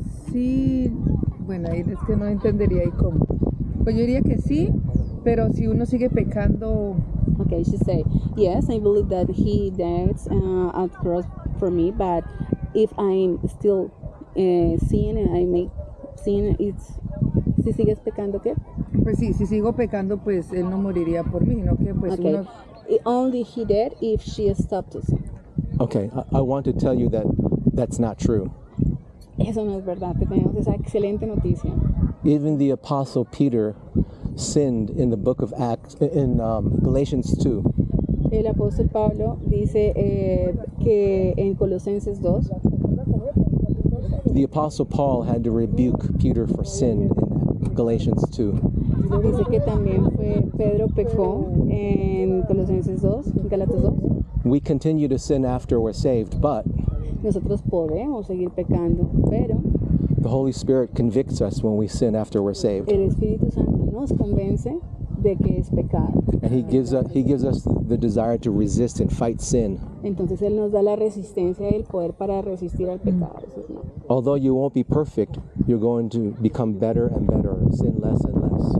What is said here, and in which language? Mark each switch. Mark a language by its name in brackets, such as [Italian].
[Spanish] Sí, bueno, es que no entendería y cómo. Pues yo diría que sí, pero si uno sigue pecando. [English] Okay, she say, yes, I believe that he died at the cross for me, but if I'm still sin, I make sin, it's. [Spanish] ¿Si sigues pecando qué? Pues sí, si sigo pecando, pues él no moriría por mí, ¿no? Que pues [English] okay. [Spanish] Uno. [English] Only he died if she stopped to sin. Okay, I want to tell you that's not true. [Spanish] Eso no es verdad. Te tenemos esa excelente noticia. [English] Even the apostle Peter sinned in the book of Acts in Galatians 2. [Spanish] El apóstol Pablo dice que en Colosenses 2. [English] The apostle Paul had to rebuke Peter for sin in Galatians 2. [Spanish] Dice que también fue Pedro pecó en Colosenses 2, en Galatas 2. [English] We continue to sin after we're saved, but [Spanish] nosotros podemos seguir pecando, pero [English] the Holy Spirit convicts us when we sin after we're saved. [Spanish] El Espíritu Santo nos convence de que es pecado. [English] And he gives us the desire to resist and fight sin. [Spanish] Entonces él nos da la resistencia y el poder para resistir al pecado. Mm. [English] Although you won't be perfect, you're going to become better and better, sin less and less.